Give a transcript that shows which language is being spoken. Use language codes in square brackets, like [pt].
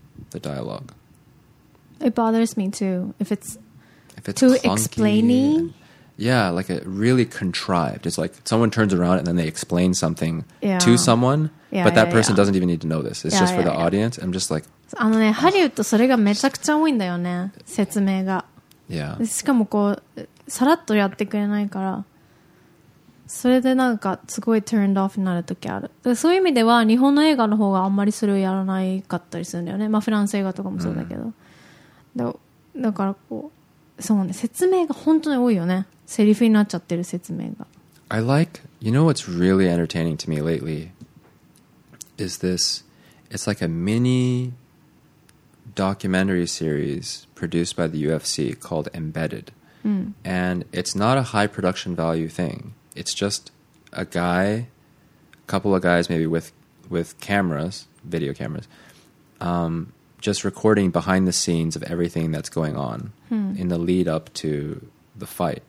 [en] the dialogue. It bothers me too. If it's too explaining. Yeah, like a really contrived. It's like someone turns around and then they explain something to someone, but that person doesn't even need to know this. It's just for the audience. I'm just like, [ja] あのね、ハリウッドそれがめちゃくちゃ多いんだよね、説明が。 [en] Yeah. [ja] しかもこうさらっとやってくれないから、それでなんかすごい [en] turned off [ja] になる時ある。だからそういう意味では日本の映画の方があんまりそれをやらないかったりするんだよね。まあフランス映画とかもそうだけど、だからこう、そうね、説明が本当に多いよね。セリフになっちゃってる説明が。 [en] I like, you know what's really entertaining to me lately is this. It's like a mini documentary series produced by the UFC called Embedded. And it's not a high production value thing. It's just a guy, a couple of guys maybe with cameras, video cameras, just recording behind the scenes of everything that's going on in the lead up to the fight.